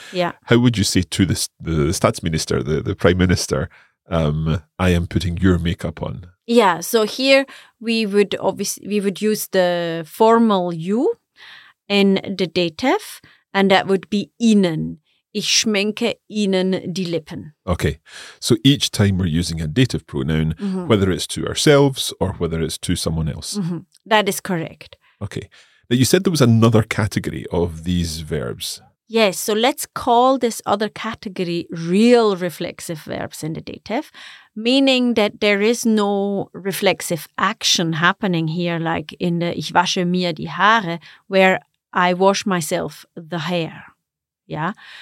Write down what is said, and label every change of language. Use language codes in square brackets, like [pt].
[en] Yeah. How would you say to the stats minister, the prime minister, I am putting your makeup on? Yeah. So here we would use the formal you in the dative, and that would be Ihnen. [de] Ich schminke Ihnen die Lippen. [en] Okay. So each time we're using a dative pronoun, mm-hmm. whether it's to ourselves or whether it's to someone else. Mm-hmm. That is correct. Okay. Now you said there was another category of these verbs. Yes. So let's call this other category real reflexive verbs in the dative, meaning that there is no reflexive action happening here, like in the [de] Ich wasche mir die Haare, [en] where I wash myself the hair. Yeah.